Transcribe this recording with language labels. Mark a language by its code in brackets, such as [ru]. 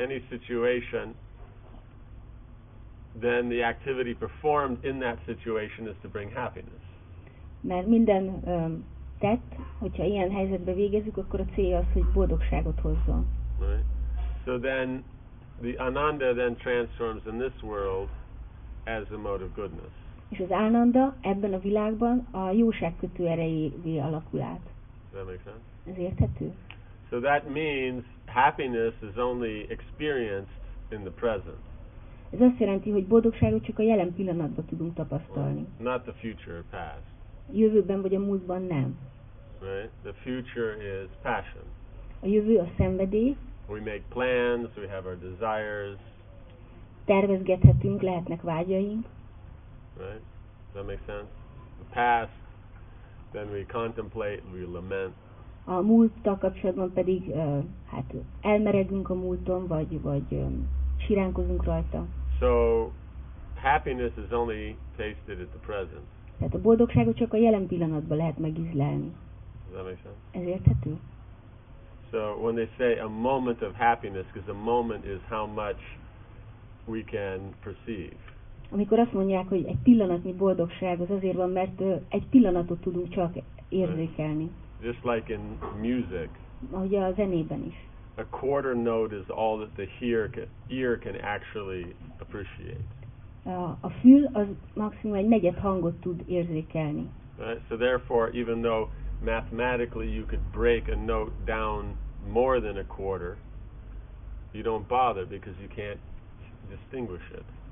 [en] Any situation, then the activity performed in that situation is to bring happiness. [hu] Mert minden tett, hogyha ilyen helyzetbe végezzük, akkor a célja az, hogy boldogságot hozzon. [en] Right. So then the ananda then transforms in this world as a mode of goodness. [hu] És az ánanda ebben a világban a jóság kötő erejévé alakul át. Ez érthető? [en] So that means happiness is only experienced in the present. [hu] Ez azt jelenti, hogy boldogságot csak a jelen pillanatban tudunk tapasztalni. [en] Well, not the future or past. [hu] Jövőben vagy a múltban nem. [en] Right? The future is passion. [hu] A jövő a szenvedély. [en] We make plans, we have our desires. [hu] Tervezgethetünk, lehetnek vágyaink. [en] Right? Does that make sense? The past, then we contemplate, we lament. [hu] A múlttal kapcsolatban pedig hát elmeregünk a múlton, vagy siránkozunk rajta. [en] So happiness is only tasted at the present. [hu] Tehát a boldogságot csak a jelen pillanatban lehet megízlelni. [en] Does that make sense? [hu] Ez érthető? [en] So when they say a moment of happiness, because a moment is how much we can perceive. [hu] Amikor azt mondják, hogy egy pillanatnyi boldogság, az azért van, mert egy pillanatot tudunk csak érzékelni. [en] Just like in music. [hu] Ahogy a zenében is. [en] A quarter note is all that the ear can actually appreciate. [hu] A fül az maximum egy negyed hangot tud érzékelni. [en] Right? So therefore, even though mathematically you could break a note down more than a quarter, you don't bother because you can't distinguish it.